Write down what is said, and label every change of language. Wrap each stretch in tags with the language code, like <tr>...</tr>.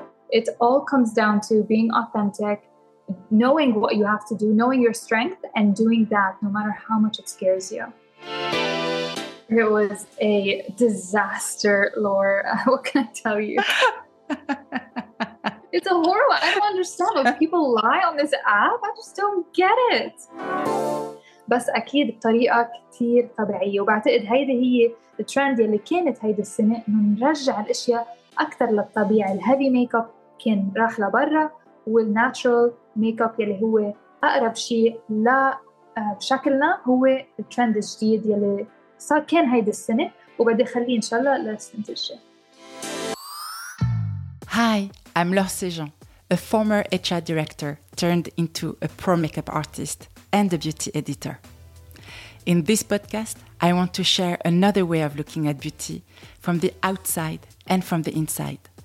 <en>It all comes down to being authentic, knowing what you have to do, knowing your strength, and doing that no matter how much it scares you. It was a disaster, Laura. What can I tell you? It's a horror. I don't understand. If people lie on this app, I just don't get it.</en> <ar>بس أكيد الطريقة كتير طبيعية وبعتقد هيدا هي الترند اللي كانت هيدا السنة إنه نرجع الأشياء أكثر للطبيعة. الهيفي ميك اب كان راح لبرا والناتشرال ميك اب يلي هو أقرب شيء لشكلنا هو الترند الجديد يلي صار كان هيدا السنة وبدي خليه إن شاء الله للسنة الجاية.</ar> <en>Hi, I'm Laure Sejean, a former HR director turned into a pro makeup artist and a beauty editor. In this podcast, I want to share another way of looking at beauty from the outside and from the inside.</en>